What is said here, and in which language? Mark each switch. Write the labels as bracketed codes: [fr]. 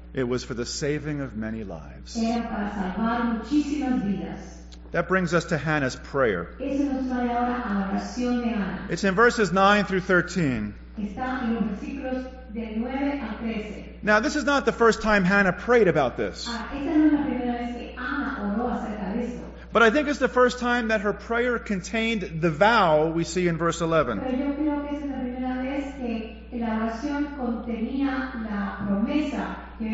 [en] It was for the saving of many lives. [es] Era para salvar muchísimas vidas. [en] That brings us to Hannah's prayer. [es] Eso nos trae ahora a la oración de Ana. [en] It's in verses 9 through 13. [es] Está en los versículos de 9 a 13. [en] Now, this is not the first time Hannah prayed about this. [es] Esta no es la primera vez que Ana oró acerca de esto. [en] But I think it's the first time that her prayer contained the vow we see in verse 11. [es] Pero yo creo que es la primera vez que la oración contenía la promesa.